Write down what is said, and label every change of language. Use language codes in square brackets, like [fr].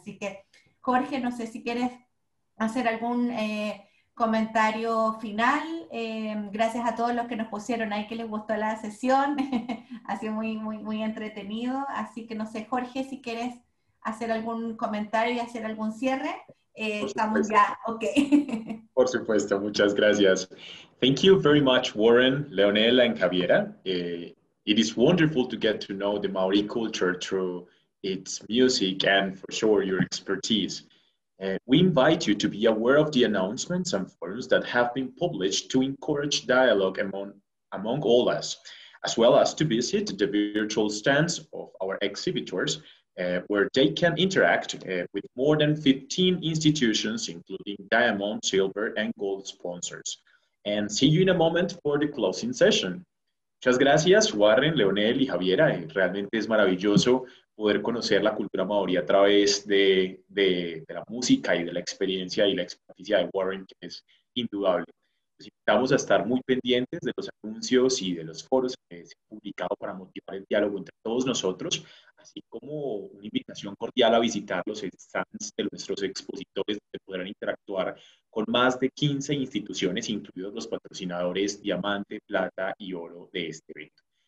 [es] Así que, Jorge, no sé si quieres hacer algún comentario final. Gracias a todos los que nos pusieron ahí que les gustó la sesión. Ha sido muy, muy, muy entretenido. Así que no sé, Jorge, si quieres hacer algún comentario y hacer algún cierre. Estamos ya. Ok. Por supuesto. Muchas gracias. [en] Thank you very much, Warren, Leonela, and Javiera. It is wonderful to get to know the Maori culture through its music and, for sure, your expertise. We invite you to be aware of the announcements and forums that have been published to encourage dialogue among all us, as well as to visit the virtual stands of our exhibitors, where they can interact with more than 15 institutions, including diamond, silver, and gold sponsors. And see you in a moment for the closing session. [es] Muchas gracias, Warren, Leonel y Javiera. Realmente es maravilloso poder conocer la cultura maorí a través de la música y de la experiencia y la experticia de Warren, que es indudable. Nos invitamos a estar muy pendientes de los anuncios y de los foros que se han publicado para motivar el diálogo entre todos nosotros, así como una invitación cordial a visitar los stands de nuestros expositores, donde podrán interactuar con más de 15 instituciones, incluidos los patrocinadores Diamante, Plata y Oro de este evento.